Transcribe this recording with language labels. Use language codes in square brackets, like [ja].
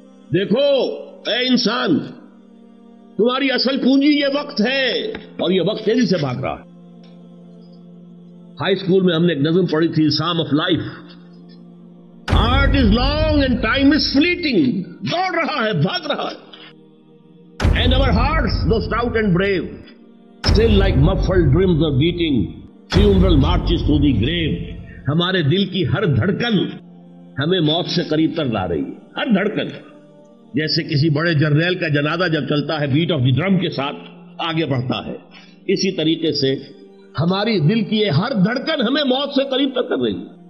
[ur] دیکھو اے انسان, تمہاری اصل پونجی یہ وقت ہے, اور یہ وقت تیزی سے بھاگ رہا ہے. ہائی اسکول میں ہم نے ایک نظم پڑھی تھی, سام of life, [en] art is long and time is fleeting, [ur] دوڑ رہا ہے, بھاگ رہا ہے. [en] And our hearts, though stout and brave, still like muffled drums are beating funeral marches through the grave. [ur] ہمارے دل کی ہر دھڑکن ہمیں موت سے قریب تر لا رہی ہے, ہر دھڑکن. جیسے کسی بڑے جنرل کا جنازہ جب چلتا ہے [en] beat of the drum [ur] کے ساتھ آگے بڑھتا ہے, اسی طریقے سے ہماری دل کی یہ ہر دھڑکن ہمیں موت سے قریب تر کر رہی ہے.